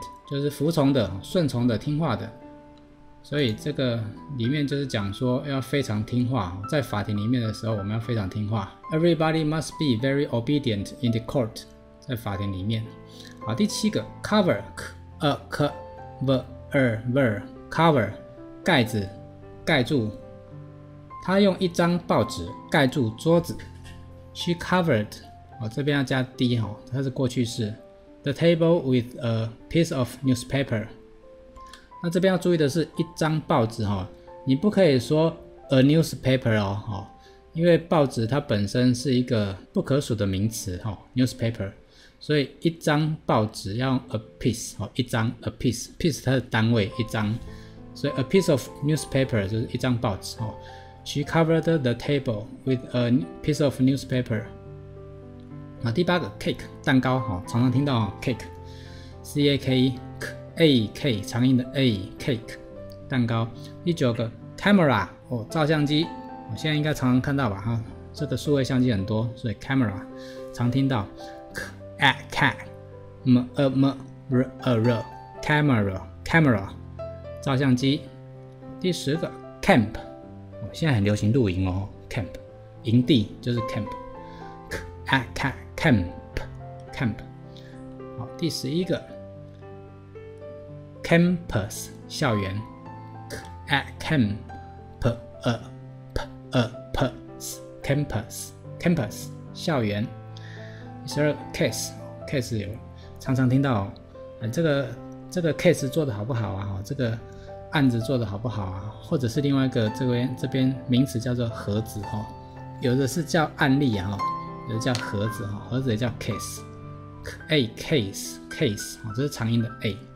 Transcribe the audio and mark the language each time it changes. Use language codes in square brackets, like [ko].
[zh] 就是服从的、顺从的、听话的，所以这个里面就是讲说要非常听话，在法庭里面的时候我们要非常听话。 [en] Everybody must be very obedient in the court， [zh] 在法庭里面。好，第七个 cover 盖子、盖住，他用一张报纸盖住桌子。 [en] She covered， [zh] 这边要加 d 它是过去式。 [en] The table with a piece of newspaper， [zh] 那这边要注意的是一张报纸、哦、你不可以说 a newspaper 哦，因为报纸它本身是一个不可数的名词、哦、newspaper， 所以一张报纸要用 a piece、哦、一张 a piece， piece 它的单位一张，所以 a piece of newspaper 就是一张报纸、哦、 [en] She covered the table with a piece of newspaper。 [zh] 那第八个 cake 蛋糕、哦、常常听到、哦、cake C-A-K-E A cake 长音的 A cake 蛋糕。第九个 camera、哦、照相机，我现在应该常常看到吧哈，这个数位相机很多，所以 camera 常听到 k a cat m a m r a r camera camera 照相机。第十个 camp、哦、现在很流行露营哦， camp 营地就是 camp k a cat camp camp。好，第十一个campus 校园 at campus campus campus 校园。十二 case case 有常常听到、哦、这个 case 做得好不好啊，这个案子做得好不好啊，或者是另外一个这边名词叫做盒子、哦、有的是叫案例、啊、有的叫盒子、哦、盒子也叫 case a case case、哦、这是长音的 a。